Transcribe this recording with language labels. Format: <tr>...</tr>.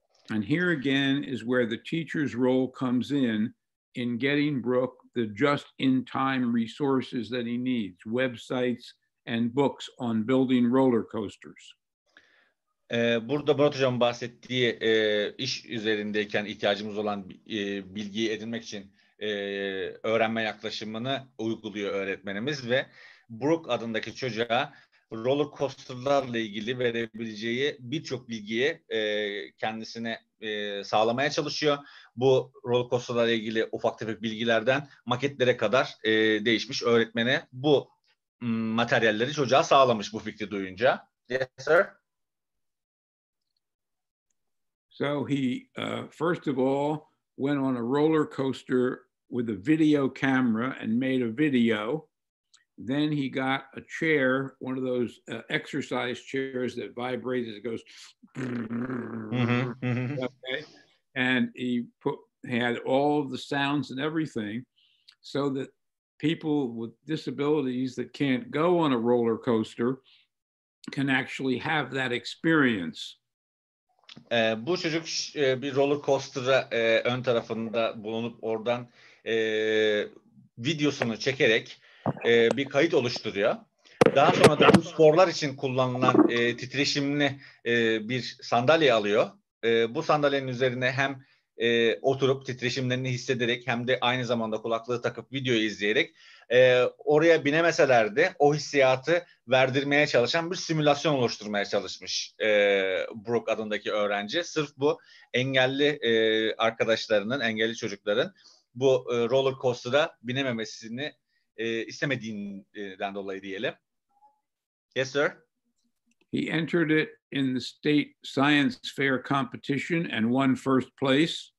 <en>And here again is where the teacher's role comes in getting Brooke the just-in-time resources that he needs, websites and books on building roller coasters.</en> <tr>Burada Murat Hocam bahsettiği iş üzerindeyken ihtiyacımız olan bilgiyi edinmek için öğrenme yaklaşımını uyguluyor öğretmenimiz ve Brooke adındaki çocuğa roller coaster'larla ilgili verebileceği birçok bilgiyi kendisine sağlamaya çalışıyor. Bu roller coaster'larla ilgili ufak tefek bilgilerden maketlere kadar değişmiş öğretmene bu materyalleri çocuğa sağlamış bu fikri duyunca.</tr> <en>Yes, sir. So he first of all went on a roller coaster with a video camera and made a video. Then he got a chair, one of those exercise chairs that vibrates, it goes. Mm-hmm. Okay. And he had all of the sounds and everything so that people with disabilities that can't go on a roller coaster can actually have that experience.</en> <tr>Bu çocuk bir roller coaster'a ön tarafında bulunup oradan videosunu çekerek bir kayıt oluşturuyor. Daha sonra da sporlar için kullanılan titreşimli bir sandalye alıyor. Bu sandalyenin üzerine hem oturup titreşimlerini hissederek hem de aynı zamanda kulaklığı takıp videoyu izleyerek oraya binemeseler de o hissiyatı verdirmeye çalışan bir simülasyon oluşturmaya çalışmış Brooke adındaki öğrenci. Sırf bu engelli arkadaşlarının, engelli çocukların bu roller coaster'a binememesini istemediğinden dolayı diyelim.</tr> <en>Yes, sir. He entered it in the state science fair competition and won first place.</en>